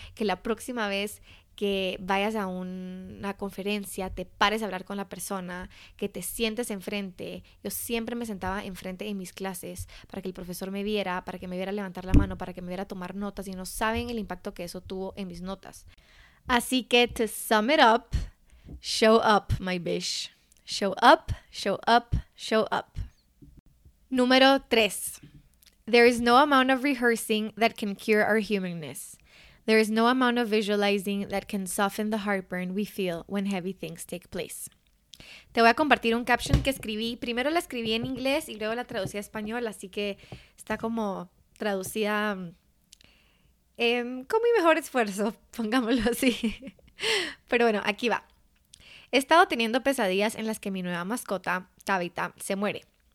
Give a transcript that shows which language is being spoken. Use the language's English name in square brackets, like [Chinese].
[Spanish] Que la próxima vez que vayas a una conferencia, te pares a hablar con la persona, que te sientes enfrente. Yo siempre me sentaba enfrente en mis clases para que el profesor me viera, para que me viera levantar la mano, para que me viera tomar notas, y no saben el impacto que eso tuvo en mis notas. Así que, [English] to sum it up, show up, my bitch. Show up, show up, show up. [Spanish] Número 3. [English] There is no amount of rehearsing that can cure our humanness. There is no amount of visualizing that can soften the heartburn we feel when heavy things take place. [Spanish] Te voy a compartir un caption que escribí. Primero la escribí en inglés y luego la traducí a español, así que está como traducida con mi mejor esfuerzo, pongámoslo así. Pero bueno, aquí va. He estado teniendo pesadillas en las que mi nueva mascota, Tabitha, se muere.